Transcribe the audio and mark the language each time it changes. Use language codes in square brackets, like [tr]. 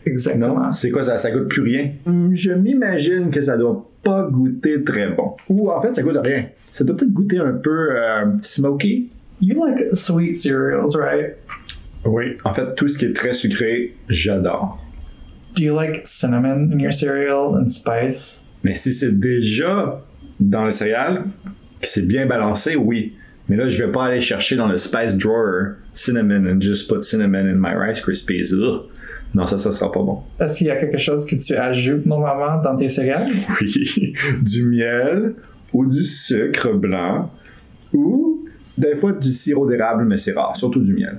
[fr] Exactement. Non? C'est quoi, ça goûte plus rien? Je m'imagine que ça doit pas goûter très bon. Ou en fait, ça goûte rien. Ça doit peut-être goûter un peu smoky. [en] You like sweet cereals, right? [fr] Oui, en fait, tout ce qui est très sucré, j'adore. [en] Do you like cinnamon in your cereal and spice? [fr] Mais si c'est déjà dans les céréales, que c'est bien balancé, oui. Mais là, je vais pas aller chercher dans le [en] spice drawer cinnamon and just put cinnamon in my Rice Krispies. [fr] Ugh. Non, ça sera pas bon. Est-ce qu'il y a quelque chose que tu ajoutes normalement dans tes céréales? Oui, du miel ou du sucre blanc ou des fois du sirop d'érable, mais c'est rare, surtout du miel.